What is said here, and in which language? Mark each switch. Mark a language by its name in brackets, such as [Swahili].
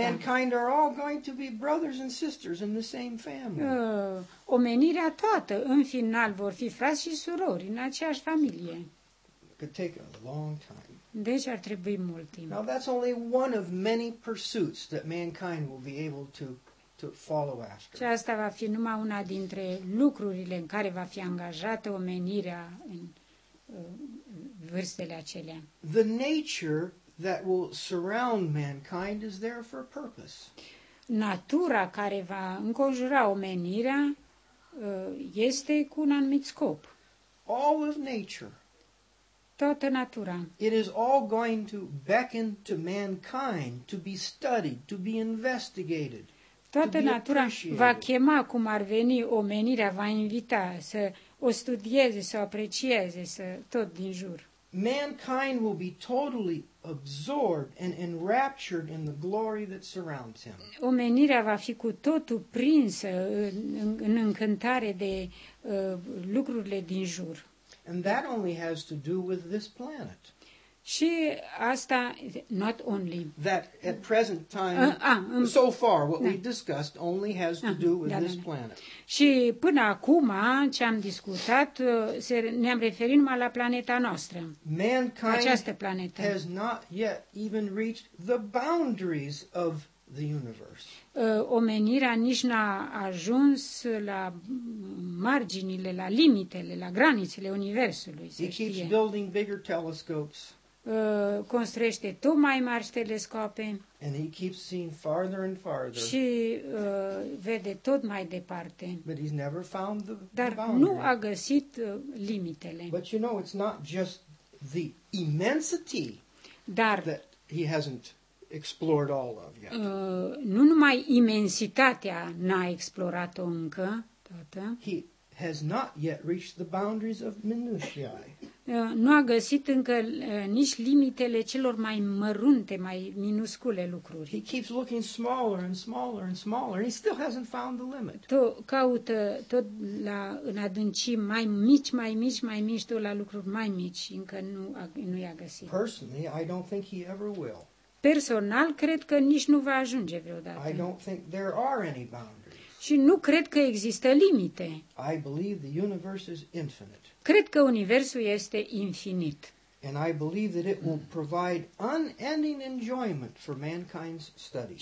[English] Mankind are all going to be brothers and sisters in the same family. [Romanian] Omenirea toată în final vor fi frați și surori în aceeași familie. [English] Could take a long time. [Romanian] Deci ar trebui mult timp. [English] Now that's only one of many pursuits that mankind will be able to follow after. [Romanian] Și asta va fi numai una dintre lucrurile în care va fi angajată omenirea în vârstele acelea. [English] The nature that will surround mankind is there for a purpose. [Romanian] Natura care va înconjura omenirea este cu un anumit scop. [English] All of nature. [Romanian] Toată natura. [English] It is all going to beckon to mankind to be studied, to be investigated. [Romanian] Toată natura va chema cum ar veni omenirea, va invita să o studieze, să o aprecieze, să tot din jur. [English] Mankind will be totally absorbed and enraptured in the glory that surrounds him. [Romanian] Omenirea va fi cu totul prinsă în încântare de lucrurile din jur. [English] And that only has to do with this planet. [Romanian] Și asta, [English] not only. That at present time, so far, what we've discussed only has to do with this planet. [Romanian] Și până acum, ce am discutat, ne-am referit numai la planeta noastră. [English] Mankind [Romanian] această planetă [English] has not yet even reached the boundaries of the universe. [Romanian] Omenirea nici n-a ajuns la marginile, la limitele, la granițele universului, să știe. [English] It keeps building bigger telescopes. [Romanian] Construiește tot mai mari telescoape [English] and he keeps seeing farther and farther. [Romanian] Și vede tot mai departe. [English] But he's never found the [Romanian] dar [English] boundary. [Romanian] Nu a găsit limitele. [English] But you know, it's not just the immensity [Romanian] dar [English] that he hasn't explored all of yet. [Romanian] Nu numai imensitatea n-a explorat-o încă toată. [English] He has not yet reached the boundaries of minutiae. [Romanian] nu a găsit încă nici limitele celor mai mărunte, mai minuscule lucruri. [English] He keeps looking smaller and smaller and smaller, and he still hasn't found the limit. [Romanian] Tot caută tot la în adâncimi mai mici, mai mici, mai mici, tot la lucruri mai mici, încă nu i-a găsit. [English] Personally, I don't think he ever will. [Romanian] Personal, cred că nici nu va ajunge vreodată. [English] I don't think there are any boundaries. [Romanian] Și nu cred că există limite. [English] I believe the universe is infinite. [Romanian] Cred că universul este infinit. [English] And I believe that it will provide unending enjoyment for mankind's study.